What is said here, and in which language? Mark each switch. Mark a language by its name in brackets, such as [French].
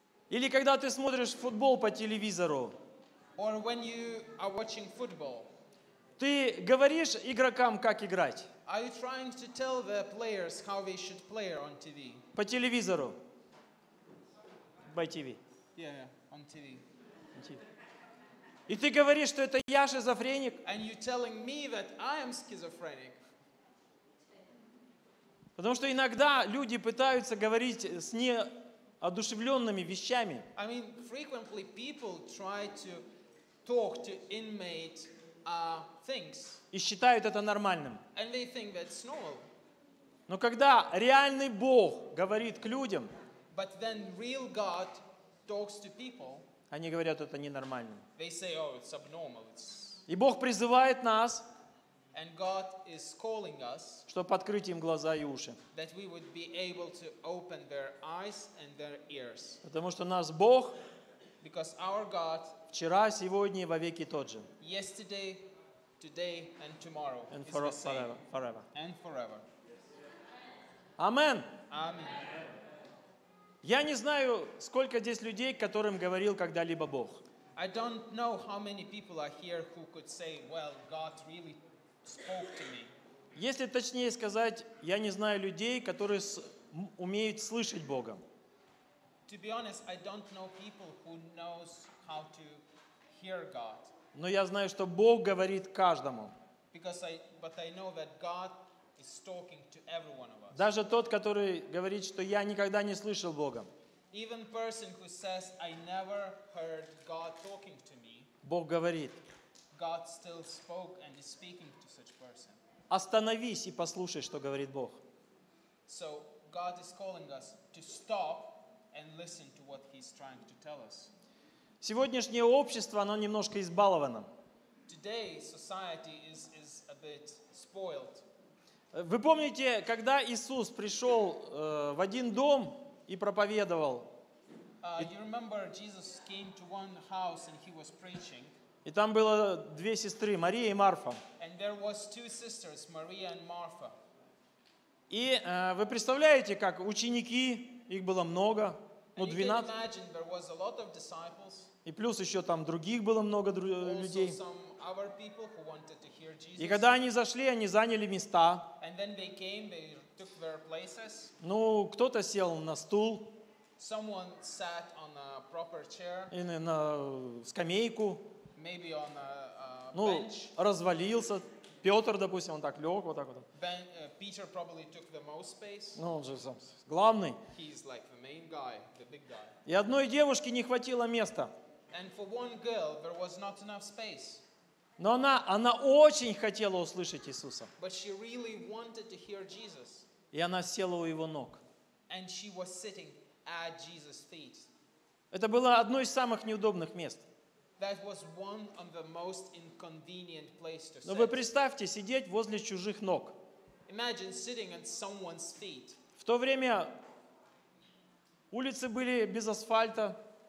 [Russian] Или когда ты смотришь футбол по телевизору. [English] Or when you are watching football. [Russian] Ты говоришь игрокам, как играть? [English] Are you trying to tell the players how they should play on TV? [Russian] По телевизору. [English] By TV. Yeah, on TV. [Russian] И ты говоришь, что это я шизофреник? [English] And you're telling me that I am schizophrenic. [Russian] Потому что иногда люди пытаются говорить с неодушевленными вещами. [English] I mean, frequently people try to talk to inmate things. [Russian] И считают это нормальным. [English] And they think that's normal. [Russian] Но когда реальный Бог говорит к людям, [English] but then real God talks to people, [Russian] они говорят, это ненормально. [English] They say, oh, it's abnormal. It's... [Russian] И Бог призывает нас, [English] and God is calling us, [Russian] чтобы открыть им глаза и уши. [English] That we would be able to open their eyes and their ears. [Russian] Потому что нас Бог [English] because our God [Russian] вчера, сегодня и вовеки тот же. [English] Yesterday, today and tomorrow and for, is the same. Forever, forever. And forever. Amen. Amen. [Russian] Я не знаю, сколько здесь людей, которым говорил когда-либо Бог. [English] I don't know how many people are here who could say, well, God really spoke to me. [Russian] Если точнее сказать, я не знаю людей, которые умеют слышать Бога. [English] To be honest, I don't know people who knows how to hear God. [Russian] Но я знаю, что Бог говорит каждому. [English] Because I know that God is talking to every one of us. [Russian] Даже тот, который говорит, что я никогда не слышал Бога. [English] Even person who says I never heard God talking to me. [Russian] Бог говорит. [English] God still spoke and is speaking to such person. [Russian] Остановись и послушай, что говорит Бог. [English] So God is calling us to stop and listen to what he's trying to tell us. [Russian] Сегодняшнее общество, оно немножко избаловано. [English] Today society is a bit spoiled. [Russian] Вы помните, когда Иисус пришел в один дом и проповедовал? [English] You remember Jesus came to one house and he was preaching. [Russian] И там было две сестры, Мария и Марфа. [English] And there was two sisters, Maria and Martha. [Russian] И вы представляете, как ученики, их было много, ну, 12. [English] And you can imagine there was a lot of disciples. [Russian] И плюс еще там других было много людей. [English] Also some other people who wanted to hear Jesus. [Russian] И когда они зашли, они заняли места. [English] And then they came, they took their places. [Russian] Ну, кто-то сел на стул. [English] Someone sat on a proper chair. [Russian] И на скамейку. [English] Maybe on a ну, bench. [Russian] Развалился. Петр, допустим, он так лег, вот так вот. [English] Then, Peter probably took the most space. [Russian] Ну, он же сам главный. [English] He's like the main guy, the big guy. [Russian] И одной девушке не хватило места. [English] And for one girl, there was not enough space. [Russian] Но она очень хотела услышать Иисуса. [English] But she really wanted to hear Jesus. [Russian] И она села у его ног. [English] And she was sitting at Jesus' feet. [Russian] Это было одно из самых неудобных мест. [English] That was one of the most inconvenient places to sit. [Russian] Но вы представьте, сидеть возле чужих ног. [English] Imagine sitting at someone's feet. [Russian] В то время улицы были без асфальта.